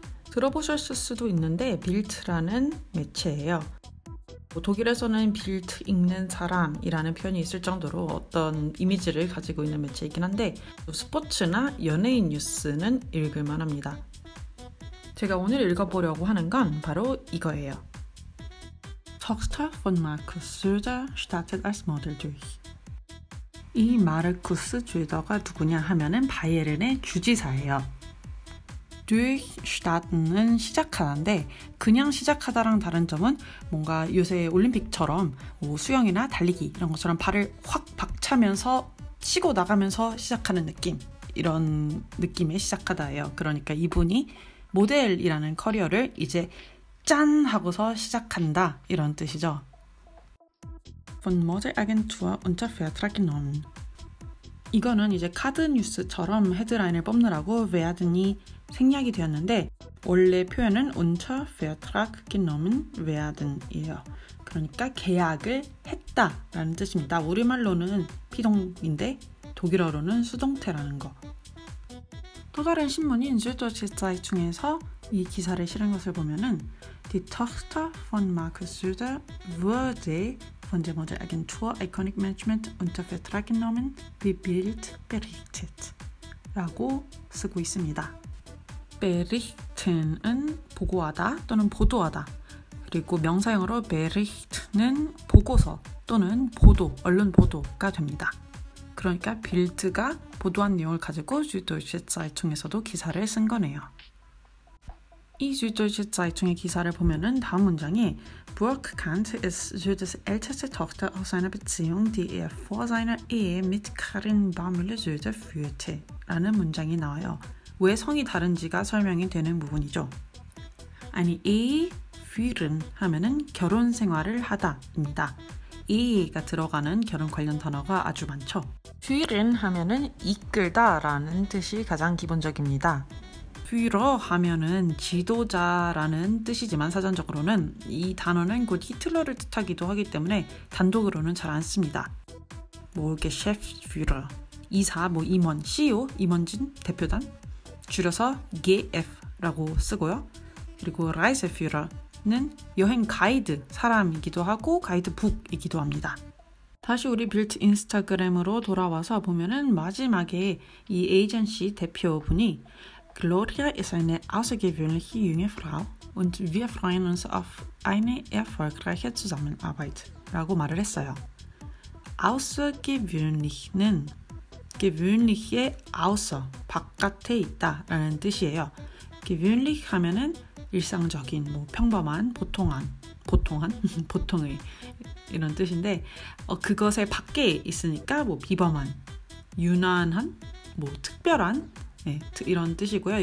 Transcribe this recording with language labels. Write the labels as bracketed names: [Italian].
[Korean] 들어보셨을 수도 있는데, 빌트라는 매체예요. 독일에서는 빌트 읽는 사람이라는 표현이 있을 정도로 어떤 이미지를 가지고 있는 매체이긴 한데, 스포츠나 연예인 뉴스는 읽을 만합니다. 제가 오늘 읽어보려고 하는 건 바로 이거예요. [German] Tochter von Markus Söder startet als Model durch. [Korean] 이 마르쿠스 주더가 누구냐 하면은 바이에른의 주지사예요. Durch starten은 시작하다인데 그냥 시작하다랑 다른 점은 뭔가 요새 올림픽처럼 뭐 수영이나 달리기 이런 것처럼 발을 확 박차면서 치고 나가면서 시작하는 느낌. 이런 느낌의 시작하다예요. 그러니까 이분이 모델이라는 커리어를 이제 짠 하고서 시작한다 이런 뜻이죠. [German] Von Modelagentur unter Vertrag genommen. [Korean] 이거는 이제 카드 뉴스처럼 헤드라인을 뽑느라고 werden이 생략이 되었는데 원래 표현은 [German] unter Vertrag genommen werden [Korean] 이에요. 그러니까 계약을 했다라는 뜻입니다. 우리말로는 피동인데 독일어로는 수동태라는 거. 또 다른 신문인 Süddeutsche Zeitung 중에서 이 기사를 실은 것을 보면은 [German] Die Tochter von Markus Söder wurde von der Modelagentur Iconic Management unter Vertrag genommen, wie Bild berichtet. [Korean] 라고 쓰고 있습니다. Berichten은 보고하다 또는 보도하다. 그리고 명사형으로 Bericht는 보고서 또는 보도, 언론 보도가 됩니다. 그러니까 빌트가 보도한 내용을 가지고 주이도시사이총에서도 기사를 쓴 거네요. 이 주이도시사이총의 기사를 보면은 다음 문장이 [German] Burk Kant ist Söders älteste Tochter aus seiner Beziehung, die er vor seiner Ehe mit Karin Barmüller Söder führte [Korean] 라는 문장이 나와요. 왜 성이 다른지가 설명이 되는 부분이죠. 아니, Ehe führen 하면은 결혼 생활을 하다입니다. Ehe가 들어가는 결혼 관련 단어가 아주 많죠. Führen 하면은 이끌다라는 뜻이 가장 기본적입니다. Führer 하면은 지도자라는 뜻이지만 사전적으로는 이 단어는 곧 히틀러를 뜻하기도 하기 때문에 단독으로는 잘안 씁니다. 뭐 이렇게 Chefführer, 이사, 뭐 임원, CEO, 임원진, 대표단 줄여서 GF라고 쓰고요. 그리고 Reiseführer는 여행 가이드 사람이기도 하고 가이드북이기도 합니다. 다시 우리 빌트 인스타그램으로 돌아와서 보면은 마지막에 이 에이전시 대표분이 [German] Gloria ist eine außergewöhnliche junge Frau und wir freuen uns auf eine erfolgreiche Zusammenarbeit [Korean] 라고 말을 했어요. Außergewöhnlich는 gewöhnliche außer 바깥에 있다라는 뜻이에요. Gewöhnlich 하면은 일상적인 뭐 평범한 보통한 보통의 이런 뜻인데 그것의 밖에 있으니까 뭐 비범한, 유난한, 뭐 특별한 네, 이런 뜻이고요.